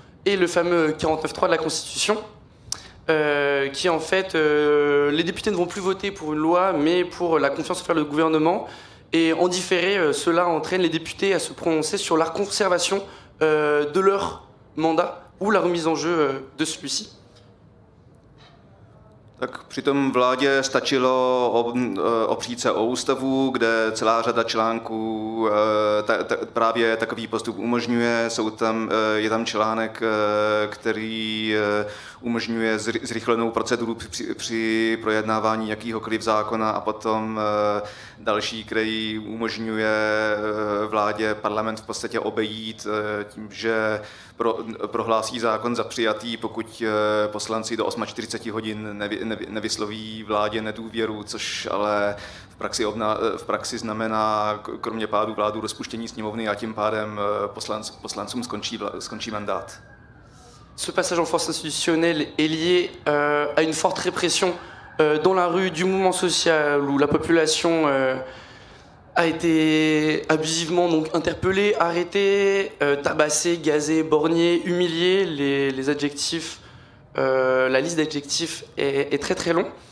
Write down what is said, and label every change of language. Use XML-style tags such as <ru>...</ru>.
<fr>Et le fameux 49.3 de la Constitution. Les députés ne vont plus voter pour une loi, mais pour la confiance envers le gouvernement. Et en différé, cela entraîne les députés à se prononcer sur la conservation de leur mandat ou la remise en jeu de celui-ci.</fr> <cs>Tak přitom vládě stačilo opřít se o ústavu, kde celá řada článků právě takový postup umožňuje. Je tam článek, který umožňuje zrychlenou proceduru při projednávání jakýhokoliv zákona a potom další, který umožňuje vládě parlament v podstatě obejít tím, že prohlásí zákon za přijatý, pokud poslanci do 48 hodin nevysloví vládě nedůvěru, což ale v praxi znamená, kromě pádu vládu, rozpuštění sněmovny a tím pádem poslancům skončí mandát.</cs> <fr>Ce passage en force institutionnel est lié à une forte répression dans la rue du mouvement social où la population a été abusivement donc interpellée, arrêtée, tabassée, gazée, borniée, humiliée. La liste d'adjectifs est très très longue.</fr>